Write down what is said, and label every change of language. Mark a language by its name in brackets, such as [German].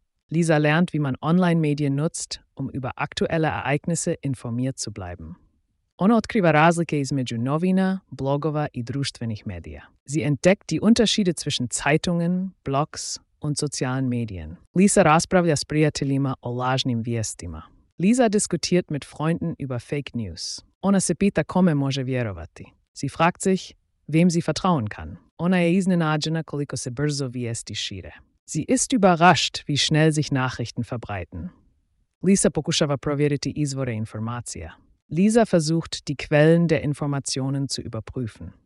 [German] Lisa lernt, wie man online medije nutzt, um über aktuelle Ereignisse informiert zu bleiben. [Croatian] Ona otkriva razlike između novina, blogova i društvenih medija. [German] Sie entdeckt die Unterschiede zwischen Zeitungen, Blogs und sozialen Medien. [Croatian] Lisa raspravlja s prijateljima o lažnim vijestima. [German] Lisa diskutiert mit Freunden über Fake News. [Croatian] Ona se pita kome može vjerovati. [German] Sie fragt sich, wem sie vertrauen kann. [Croatian] Ona je iznenađena koliko se brzo vijesti šire. [German] Sie ist überrascht, wie schnell sich Nachrichten verbreiten. [Croatian] Lisa pokušava provjeriti izvore informacija. [German] Lisa versucht, die Quellen der Informationen zu überprüfen.